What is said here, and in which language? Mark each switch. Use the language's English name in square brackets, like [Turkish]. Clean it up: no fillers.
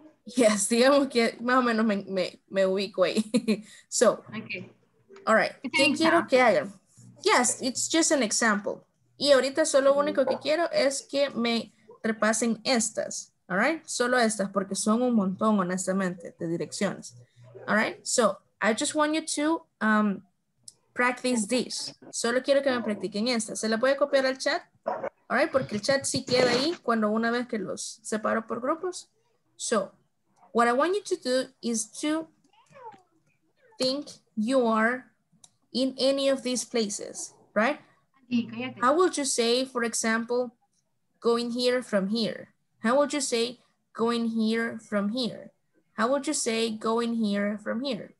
[Spanish] yes, digamos que más o menos me ubico ahí. [English] So, okay. all right. ¿Qué quiero que hagan? Yes, it's just an example. [Spanish] Y ahorita solo lo único que quiero es que me repasen estas, all right? Solo estas, porque son un montón, honestamente, de direcciones. [English] All right? So, I just want you to practice this. [Spanish] Solo quiero que me practiquen estas. ¿Se la puede copiar al chat? All right, porque el chat sí queda ahí cuando una vez que los separo por grupos. [English] So, what I want you to do is to think you are in any of these places, right? How would you say, for example, going here from here? How would you say going here from here? How would you say going here from here?